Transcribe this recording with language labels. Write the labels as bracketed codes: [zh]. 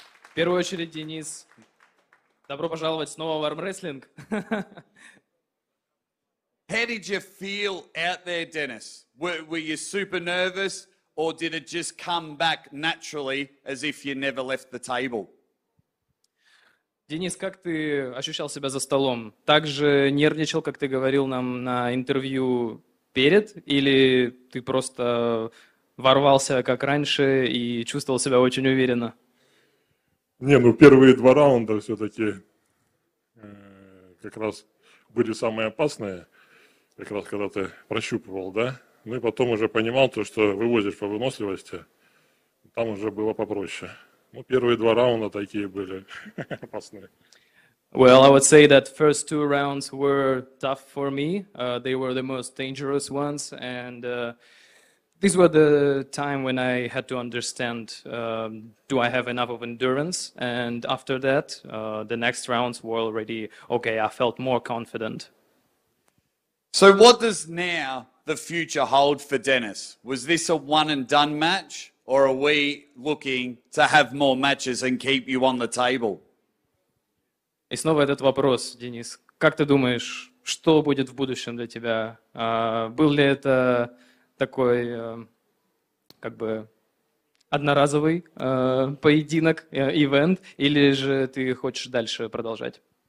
[ru] В первую очередь, Денис, добро пожаловать снова в армрестлинг. [en] How did you feel out there, Denis? Were you super nervous, or did it just come back naturally, as if you never left the table? [ru] Денис, как ты ощущал себя за столом? Так же нервничал, как ты говорил нам на интервью перед, или ты просто ворвался, как раньше, и чувствовал себя очень уверенно? Не, ну первые два раунда все-таки как раз были самые опасные, как раз когда ты прощупывал, да? Ну и потом уже понимал то, что вывозишь по выносливости, там уже было попроще. Ну первые два раунда такие были опасные. [en] Well, I would say that first two rounds were tough for me. They were the most dangerous ones, and these were the time when I had to understand, do I have enough of endurance? And after that, the next rounds were already okay. I felt more confident. So what does now the future hold for Dennis? Was this a one and done match, or are we looking to have more matches and keep you on the table? [ru] И снова этот вопрос, Денис. Как ты думаешь, что будет в будущем для тебя? Был ли это такой, как бы, одноразовый поединок, ивент, или же ты хочешь дальше продолжать?